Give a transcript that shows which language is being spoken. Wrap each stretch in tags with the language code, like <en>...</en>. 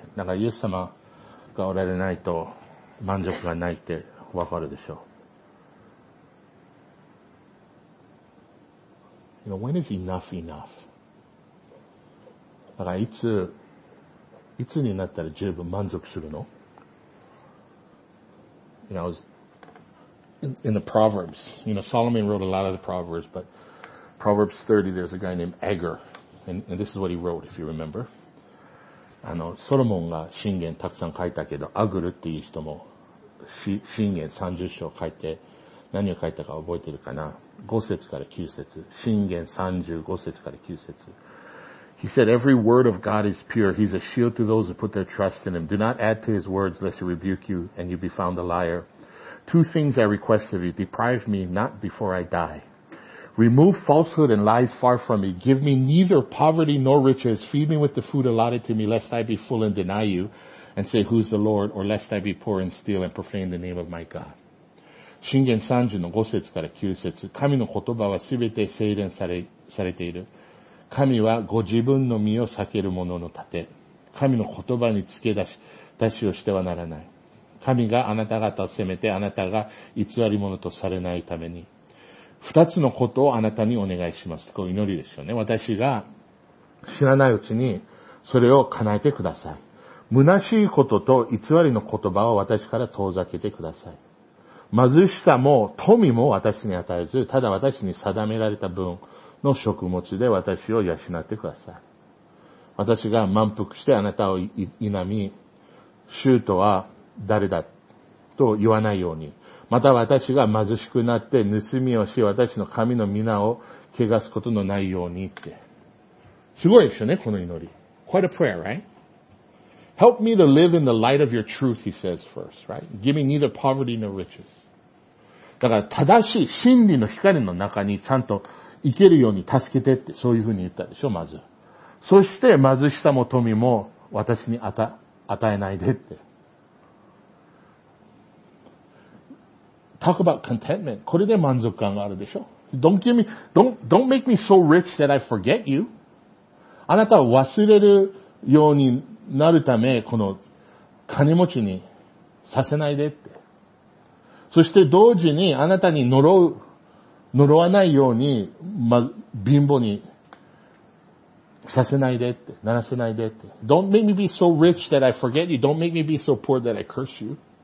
<ja>だからイエス様がおられないと満足がないってわかるでしょう。</ja> <en>You know, when is enough enough?</en> <ja>だからいつになったら十分満足するの？</ja> <en>You know, in the Proverbs, you know, Solomon wrote a lot of the Proverbs, but Proverbs 30, there's a guy named Agur, and this is what he wrote, if you remember.</en> <ja>あの、ソロモンが箴言たくさん書いたけど、アグルっていう人も、箴言30章書いて、何を書いたか覚えてるかな ?5 節から9節。箴言30、5節から9節。</ja> <en>He said, every word of God is pure. He's a shield to those who put their trust in him. Do not add to his words, lest he rebuke you and you be found a liar. Two things I request of you. Deprive me not before I die. Remove falsehood and lies far from me. Give me neither poverty nor riches. Feed me with the food allotted to me, lest I be full and deny you and say, who's the Lord? Or lest I be poor and steal and profane the name of my God.</en> <ja>箴言30の5節から9節。神の言葉はすべて精錬されている。神はご自分の身を避ける者の盾。神の言葉につけ出しをしてはならない。神があなた方を責めて、あなたが偽り者とされないために、二つのことをあなたにお願いします。こう祈りですよね。私が知らないうちにそれを叶えてください。虚しいことと偽りの言葉を私から遠ざけてください。貧しさも富も私に与えず、ただ私に定められた分の食物で私を養ってください。私が満腹してあなたを否み、主とは誰だと言わないように、また私が貧しくなって盗みをし、私の神の皆を汚すことのないようにって。すごいですよね、この祈り。</ja> <en>Quite a prayer, right? Help me to live in the light of your truth, he says first, right? Give me neither poverty nor riches.</en> <ja>だから正しい真理の光の中にちゃんと生けるように助けてって、そういうふうに言ったでしょ、まず。そして貧しさも富も私に与えないでって。</ja> <en>Talk about contentment.</en> <ja>これで満足感があるでしょ。</ja> <en>Don't make me so rich that I forget you.</en> <ja>あなたを忘れるようになるため、この金持ちにさせないでって。そして同時にあなたに呪わないように、ま、貧乏にさせないでって、ならせないでって。</ja> <en>Don't make me be so rich that I forget you. Don't make me be so poor that I curse you.</en>